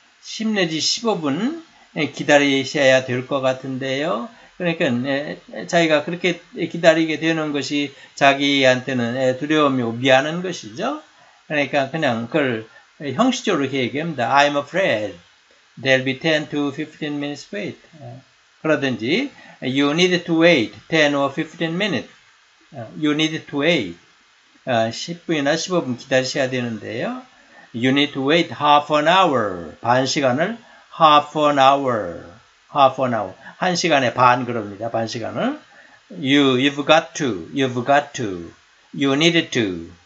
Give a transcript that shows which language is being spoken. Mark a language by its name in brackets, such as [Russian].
[Korean] 10 내지 15분 기다리셔야 될 것 같은데요. 그러니까 자기가 그렇게 기다리게 되는 것이 자기한테는 두려움이고 미안한 것이죠. 그러니까 그냥 그걸 형식적으로 얘기합니다. [English] I'm afraid there'll be 10 to 15 minutes wait. [Korean] 그러든지 [English] You need to wait 10 or 15 minutes. You need to wait. [Korean] 10분이나 15분 기다리셔야 되는데요. [English] You need to wait half an hour. [Korean] 반 시간을 [English] half an hour. half an hour. [Korean] 한 시간에 반 그럽니다. 반 시간을. [English] You've got to. You've got to. You need to.